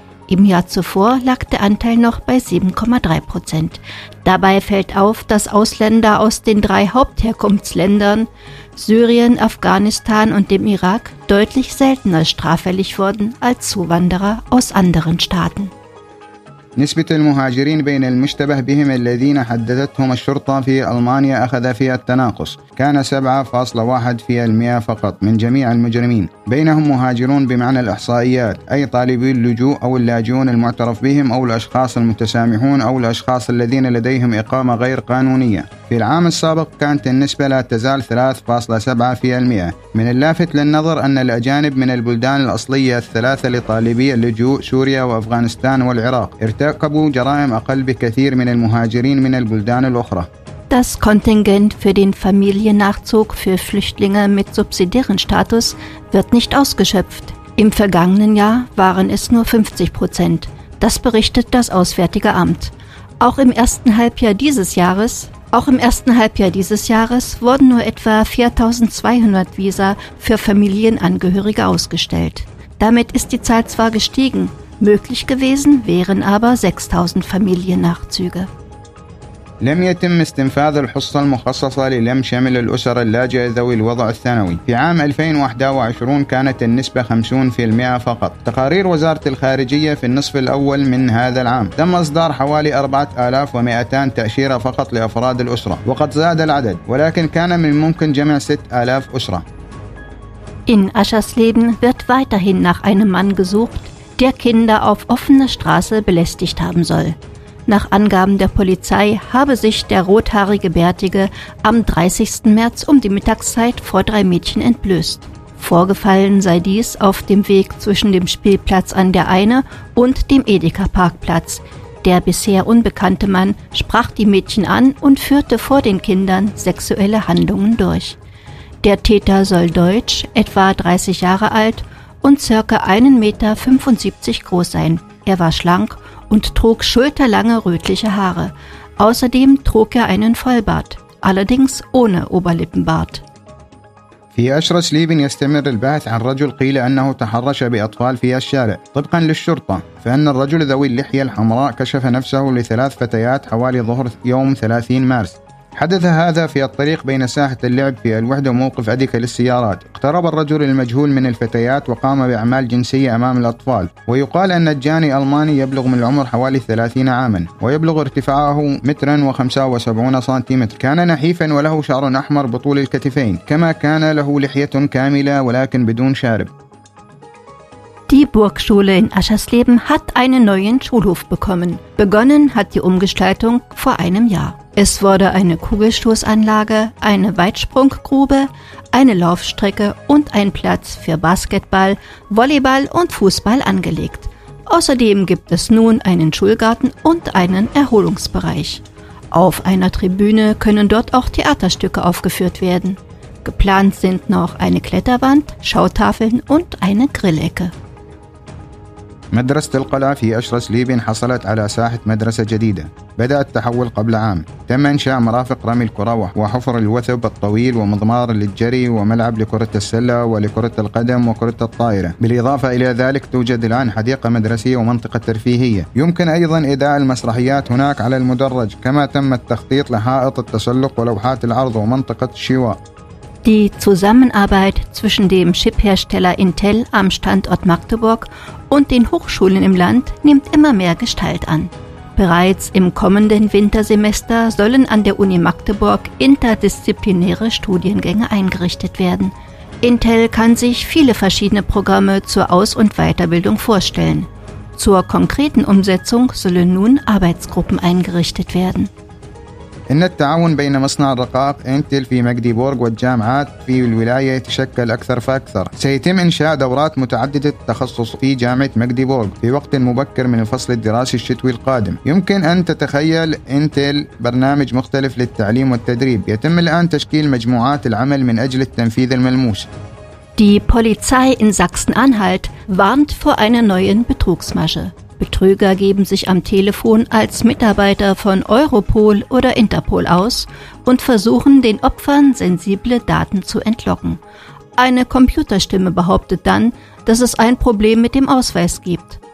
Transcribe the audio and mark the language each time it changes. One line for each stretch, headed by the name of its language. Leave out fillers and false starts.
German: Im Jahr zuvor lag der Anteil noch bei 7,3%. Dabei fällt auf, dass Ausländer aus den drei Hauptherkunftsländern, Syrien, Afghanistan und dem Irak, deutlich seltener straffällig wurden als Zuwanderer aus anderen Staaten.
Arabic: نسبة المهاجرين بين المشتبه بهم الذين حددتهم الشرطة في ألمانيا أخذ فيها التناقص كان 7.1% فقط من جميع المجرمين بينهم مهاجرون بمعنى الإحصائيات أي طالبي اللجوء أو اللاجئون المعترف بهم أو الأشخاص المتسامحون أو الأشخاص الذين لديهم إقامة غير قانونية في العام السابق كانت النسبة لا تزال 3.7% من اللافت للنظر أن الأجانب من البلدان الأصلية الثلاثة لطالبي اللجوء سوريا وأفغانستان والعراق ارتكبوا جرائم أقل بكثير من المهاجرين من البلدان الأخرى.
German: Das Kontingent für den Familiennachzug für Flüchtlinge mit subsidiären Status wird nicht ausgeschöpft. Im vergangenen Jahr waren es nur 50%. Das berichtet das Auswärtige Amt. Auch im ersten Halbjahr dieses Jahres wurden nur etwa 4.200 Visa für Familienangehörige ausgestellt. Damit ist die Zahl zwar gestiegen, möglich gewesen wären aber 6.000 Familiennachzüge.
Arabic: لم يتم استنفاذ الحصة المخصصة للم شمل الأسر اللاجئة ذوي الوضع الثانوي في عام 2021 كانت النسبة 50% فقط تقارير وزارة الخارجية في النصف الأول من هذا العام تم إصدار حوالي 4200 تأشيرة فقط لأفراد الأسرة وقد زاد العدد ولكن كان من الممكن جمع 6000 أسرة
German: In Aschersleben wird weiterhin nach einem Mann gesucht, der Kinder auf offener Straße belästigt haben soll. Nach Angaben der Polizei habe sich der rothaarige Bärtige am 30. März um die Mittagszeit vor drei Mädchen entblößt. Vorgefallen sei dies auf dem Weg zwischen dem Spielplatz an der Eine und dem Edeka-Parkplatz. Der bisher unbekannte Mann sprach die Mädchen an und führte vor den Kindern sexuelle Handlungen durch. Der Täter soll deutsch, etwa 30 Jahre alt und ca. 1,75 Meter groß sein. Er war schlank und trug schulterlange rötliche Haare. Außerdem trug er einen Vollbart, allerdings ohne Oberlippenbart.
Arabic: في أشرسليبن يستمر البحث عن رجل قيل أنه تحرش بأطفال في الشارع طبقا للشرطة فإن الرجل ذوي اللحية الحمراء كشف نفسه لثلاث فتيات حوالي ظهر يوم 30 مارس حدث هذا في الطريق بين ساحة اللعب في الوحدة وموقف أديكا للسيارات اقترب الرجل المجهول من الفتيات وقام بأعمال جنسية أمام الأطفال ويقال أن الجاني ألماني يبلغ من العمر حوالي 30 عاما ويبلغ ارتفاعه مترا وخمسة وسبعون سنتيمتر كان نحيفا وله شعر أحمر بطول الكتفين كما كان له لحية كاملة ولكن بدون شارب
German: Die Burgschule in Aschersleben hat einen neuen Schulhof bekommen. Begonnen hat die Umgestaltung vor einem Jahr. Es wurde eine Kugelstoßanlage, eine Weitsprunggrube, eine Laufstrecke und ein Platz für Basketball, Volleyball und Fußball angelegt. Außerdem gibt es nun einen Schulgarten und einen Erholungsbereich. Auf einer Tribüne können dort auch Theaterstücke aufgeführt werden. Geplant sind noch eine Kletterwand, Schautafeln und eine Grillecke.
Arabic: مدرسة القلعة في أشرس ليبين حصلت على ساحة مدرسة جديدة. بدأ التحول قبل عام، تم إنشاء مرافق رمي الكرة وحفر الوثب الطويل ومضمار للجري وملعب لكرة السلة ولكرة القدم وكرة الطائرة. بالإضافة إلى ذلك توجد الآن حديقة مدرسية ومنطقة ترفيهية. يمكن أيضا إداء المسرحيات هناك على المدرج، كما تم التخطيط لحائط التسلق ولوحات العرض ومنطقة الشواء.
German: Die Zusammenarbeit zwischen dem Chiphersteller Intel am Standort Magdeburg und den Hochschulen im Land nimmt immer mehr Gestalt an. Bereits im kommenden Wintersemester sollen an der Uni Magdeburg interdisziplinäre Studiengänge eingerichtet werden. Intel kann sich viele verschiedene Programme zur Aus- und Weiterbildung vorstellen. Zur konkreten Umsetzung sollen nun Arbeitsgruppen eingerichtet werden.
Arabic: إن التعاون بين مصنع الرقائق إنتل في ماجديبورغ والجامعات في الولاية يتشكل أكثر فأكثر. سيتم إنشاء دورات متعددة التخصص في جامعة ماجديبورغ في وقت مبكر من الفصل الدراسي الشتوي القادم. يمكن أن تتخيل إنتل برنامج مختلف للتعليم والتدريب. يتم الآن تشكيل مجموعات العمل من أجل التنفيذ الملموس.
German: Die Polizei in Sachsen-Anhalt warnt vor einer neuen Betrugsmasche. Betrüger geben sich am Telefon als Mitarbeiter von Europol oder Interpol aus und versuchen, den Opfern sensible Daten zu entlocken. Eine Computerstimme behauptet dann, dass es ein Problem mit dem Ausweis gibt.